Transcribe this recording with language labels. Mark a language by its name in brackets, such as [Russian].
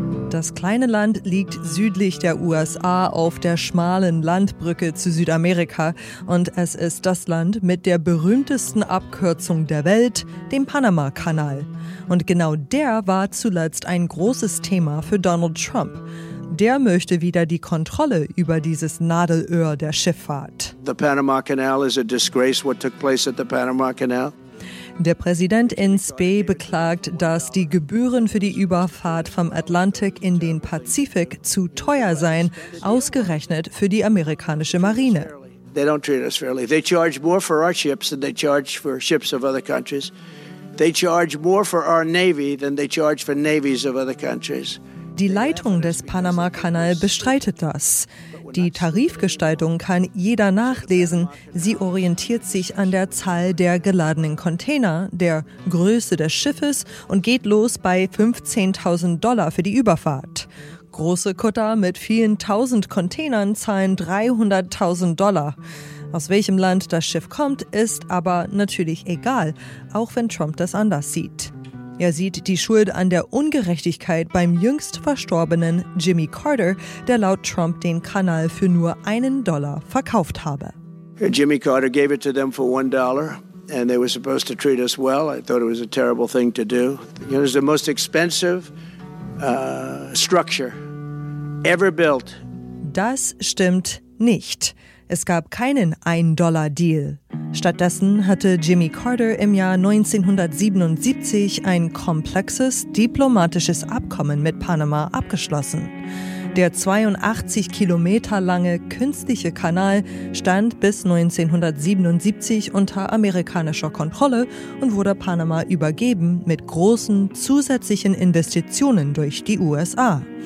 [German] Das kleine Land liegt südlich der USA auf der schmalen Landbrücke zu Südamerika und es ist das Land mit der berühmtesten Abkürzung der Welt, dem Panama-Kanal. Und genau der war zuletzt ein großes Thema für Donald Trump. Der möchte wieder die Kontrolle über dieses Nadelöhr der Schifffahrt. [English] The Panama Canal is a disgrace, what took place at the Panama Canal. [German] Der Präsident in spe beklagt, dass die Gebühren für die Überfahrt vom Atlantik in den Pazifik zu teuer seien, ausgerechnet für die amerikanische Marine. [English] They don't treat us fairly. They charge more for our ships than they charge for ships of other countries. They charge more for our navy than they charge for navies of other countries. [German] Die Leitung des Panama-Kanal bestreitet das. Die Tarifgestaltung kann jeder nachlesen. Sie orientiert sich an der Zahl der geladenen Container, der Größe des Schiffes und geht los bei $15,000 für die Überfahrt. Große Kutter mit vielen tausend Containern zahlen $300,000. Aus welchem Land das Schiff kommt, ist aber natürlich egal, auch wenn Trump das anders sieht. Er sieht die Schuld an der Ungerechtigkeit beim jüngst verstorbenen Jimmy Carter, der laut Trump den Kanal für nur $1 verkauft habe. [English] Jimmy Carter gave it to them for $1 and they were supposed to treat us well. I thought it was a terrible thing to do. It was the most expensive structure ever built. [German] Das stimmt nicht. Es gab keinen Ein-Dollar-Deal. Stattdessen hatte Jimmy Carter im Jahr 1977 ein komplexes diplomatisches Abkommen mit Panama abgeschlossen. Der 82 Kilometer lange künstliche Kanal stand bis 1977 unter amerikanischer Kontrolle und wurde Panama übergeben mit großen zusätzlichen Investitionen durch die USA.